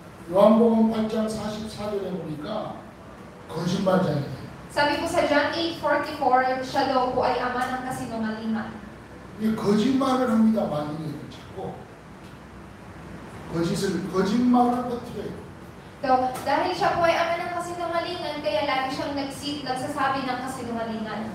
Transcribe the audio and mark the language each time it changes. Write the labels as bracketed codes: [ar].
[ko] 요한복음 8장 44절에 보니까 [tl] kasinungalingan. Sabi ko sa John 8:44, siya daw po ay ama ng kasinungalingan. [ko] 예, 거짓말을 합니다, 많이. 자꾸. 거짓을, 거짓말을 퍼뜨려요. [tl] So, dahil siya po ay ama ng kasinungalingan, kaya lagi siyang nagsasabi ng kasinungalingan.